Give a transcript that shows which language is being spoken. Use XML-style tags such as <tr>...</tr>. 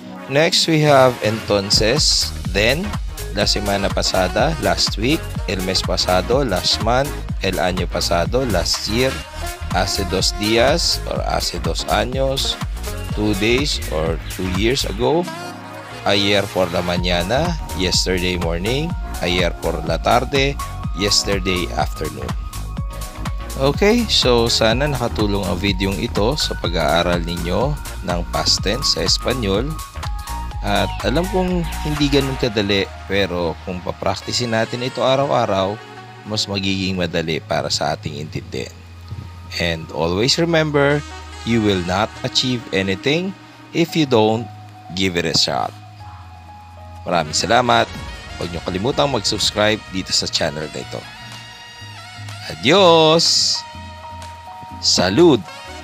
<en>Next, we have entonces, then,</en> <es>la semana pasada,</es> <en>last week,</en> <es>el mes pasado,</es> <en>last month,</en> <es>el año pasado,</es> <en>last year,</en> <es>hace dos días,</es> <en>or</en> <es>hace dos años,</es> <en>2 days, or 2 years ago,</en> <es>ayer por la mañana,</es> <en>yesterday morning,</en> <es>ayer por la tarde,</es> <en>yesterday afternoon. Okay, so</en> <tl>sana nakatulong ang videong ito sa pag-aaral ninyo ng past tense sa Espanyol. At alam kong hindi ganun kadali, pero kung papraktisin natin ito araw-araw, mas magiging madali para sa ating intindi.</tl> <en>And always remember, you will not achieve anything if you don't give it a shot.</en> <tl>Maraming salamat. Huwag niyo kalimutang mag-subscribe dito sa channel na ito.</tl> <es>Adios! Salud!</es>